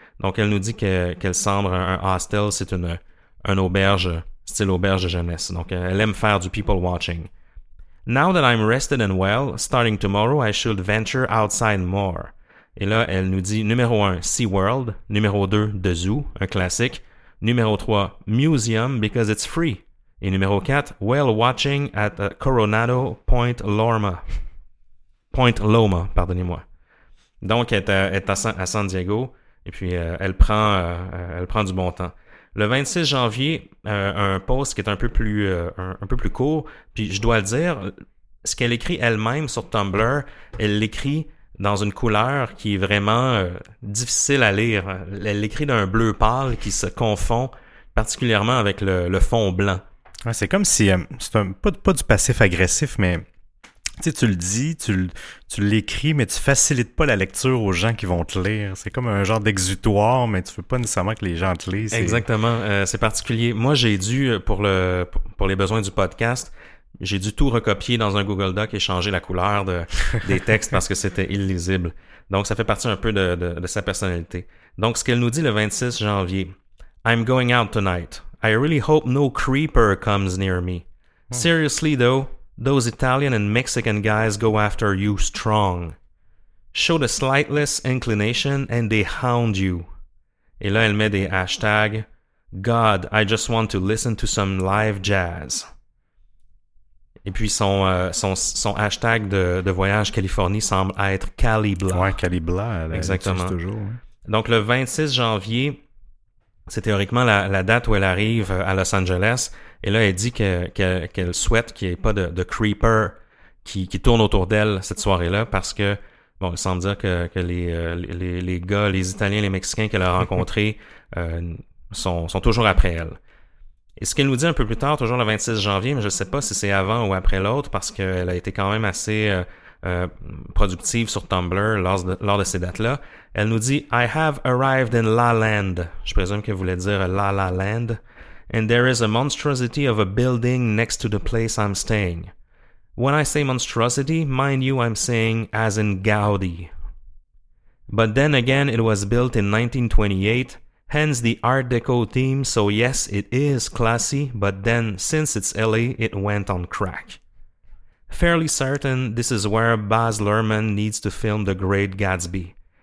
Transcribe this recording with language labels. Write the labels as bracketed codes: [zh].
[fr] Donc elle nous dit qu'elle semble un hostel, c'est une auberge, style auberge de jeunesse. Donc elle aime faire du people watching. [en] Now that I'm rested and well, starting tomorrow I should venture outside more. [fr] Et là, elle nous dit, numéro 1, SeaWorld. Numéro 2, The Zoo, un classique. [en] Numéro 3, Museum, because it's free. [fr] Et numéro 4, [en] Whale Watching at Coronado Point Loma. [fr] Point Loma, pardonnez-moi. Donc, elle est à San Diego, et puis elle prend du bon temps. Le 26 janvier, un post qui est un peu plus court, puis je dois le dire, ce qu'elle écrit elle-même sur Tumblr, elle l'écrit dans une couleur qui est vraiment difficile à lire. Elle l'écrit d'un bleu pâle qui se confond particulièrement avec le fond blanc. Ouais, c'est comme si... c'est pas du passif agressif, mais... Tu sais, tu le dis, tu l'écris, mais tu facilites pas la lecture aux gens qui vont te lire. C'est comme un genre d'exutoire, mais tu veux pas nécessairement que les gens te lisent. Exactement. C'est particulier. Moi, j'ai dû, pour les besoins du podcast... J'ai dû tout recopier dans un Google Doc et changer la couleur des textes parce que c'était illisible. Donc, ça fait partie un peu de sa personnalité. Donc, ce qu'elle nous dit le 26 janvier. [en] I'm going out tonight. I really hope no creeper comes near me. Seriously, though, those Italian and Mexican guys go after you strong. Show the slightest inclination and they hound you. [fr] Et là, elle met des hashtags. [en] God, I just want to listen to some live jazz. [fr] Et puis son hashtag de voyage Californie semble être Cali Blah. Ouais, Cali Blah, elle existe toujours. Hein. Donc le 26 janvier, c'est théoriquement la date où elle arrive à Los Angeles. Et là, elle dit qu'elle souhaite qu'il n'y ait pas de creeper qui tourne autour d'elle cette soirée-là parce que, bon, il semble dire que les gars, les Italiens, les Mexicains qu'elle a rencontrés sont toujours après elle. Et ce qu'elle nous dit un peu plus tard, toujours le 26 janvier, mais je ne sais pas si c'est avant ou après l'autre, parce qu'elle a été quand même assez productive sur Tumblr lors de ces dates-là, elle nous dit « [en] I have arrived in La Land. [fr] » Je présume qu'elle voulait dire « La La Land. » « [en] And there is a monstrosity of a building next to the place I'm staying. » When I say monstrosity, mind you, I'm saying as in Gaudi. « But then again, it was built in 1928. » Hence the Art Deco theme, so yes, it is classy, but then, since it's LA, it went on crack. Fairly certain this is where Baz Luhrmann needs to film The Great Gatsby.